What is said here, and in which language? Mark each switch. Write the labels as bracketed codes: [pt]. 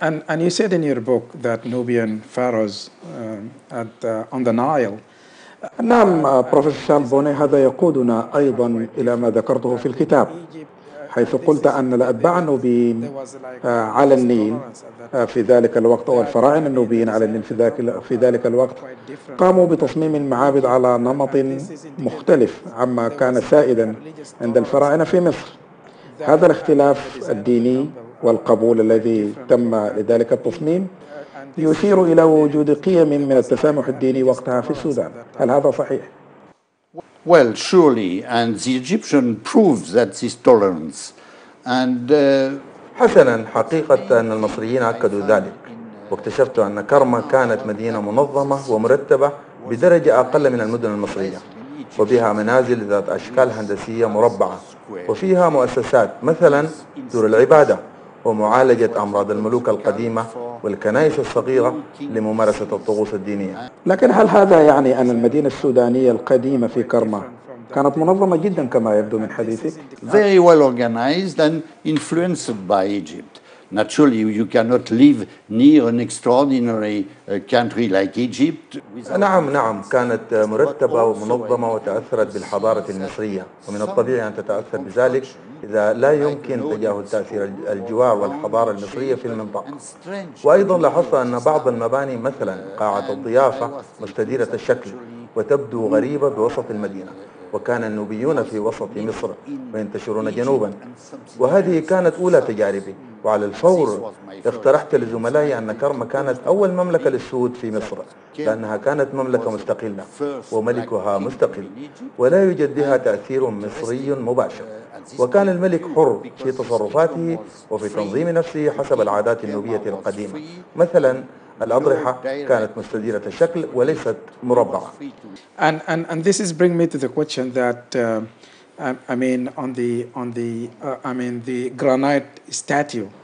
[en] And you said in your book that Nubian pharaohs on the Nile. [ar] نعم بروفيسور شارل بوني، هذا يقودنا أيضا إلى ما ذكرته في الكتاب، حيث قلت أن الأتباع النوبيين على النيل في ذلك الوقت، أو الفراعنة النوبيين على النيل في ذلك الوقت، قاموا بتصميم المعابد على نمط مختلف عما كان سائدا عند الفراعنة في مصر. هذا الاختلاف الديني والقبول الذي تم لذلك التصميم يشير إلى وجود قيم من التسامح الديني وقتها في السودان، هل هذا صحيح؟ [en] Well, surely, and the Egyptian proves that this tolerance. And [ar] حسنا، حقيقة أن المصريين أكدوا ذلك، واكتشفت أن كرمة كانت مدينة منظمة ومرتبة بدرجة أقل من المدن المصرية، وبها منازل ذات أشكال هندسية مربعة، وفيها مؤسسات مثلا دور العبادة ومعالجة أمراض الملوك القديمة والكنائس الصغيرة لممارسة الطقوس الدينية. لكن هل هذا يعني أن المدينة السودانية القديمة في كرمة كانت منظمة جدا كما يبدو من حديثك؟ [en] Very well organized and influenced by Egypt. Naturally, you cannot live near an extraordinary country like Egypt. [ar] نعم، كانت مرتبة ومنظمة وتأثرت بالحضارة المصرية، ومن الطبيعي أن تتأثر بذلك إذا لا يمكن تجاهل تأثير الجوار والحضارة المصرية في المنطقة. وأيضا لاحظت أن بعض المباني، مثلا قاعة الضيافة، مستديرة الشكل وتبدو غريبة بوسط المدينة، وكان النوبيون في وسط مصر وينتشرون جنوبا. وهذه كانت أولى تجاربي، وعلى الفور اقترحت لزملائي أن كرمة كانت أول مملكة للسود في مصر، لأنها كانت مملكة مستقلة وملكها مستقل، ولا يوجد بها تأثير مصري مباشر، وكان الملك حر في تصرفاته وفي تنظيم نفسه حسب العادات النوبية القديمة. مثلا الأضرحة كانت مستديرة الشكل وليست مربعة. [en] And this is bring me to the question that the granite statue.